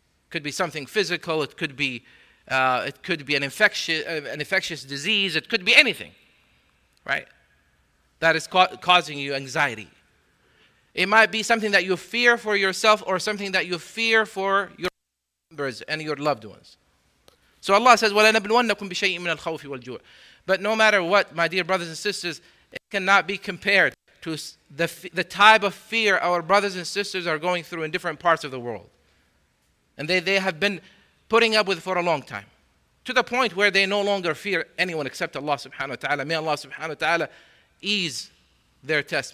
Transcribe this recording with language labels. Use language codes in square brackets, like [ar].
[en] Could be something physical, it could be an infectious disease, it could be anything, right? That is causing you anxiety. It might be something that you fear for yourself or something that you fear for your members and your loved ones. So Allah says, [ar] وَلَنَبْلُوَنَّكُمْ بِشَيْءٍ مِنَ الْخَوْفِ وَالْجُوعِ. [en] But no matter what, my dear brothers and sisters, it cannot be compared to the type of fear our brothers and sisters are going through in different parts of the world. And they have been putting up with it for a long time, to the point where they no longer fear anyone except Allah subhanahu wa ta'ala. May Allah subhanahu wa ta'ala ease their test.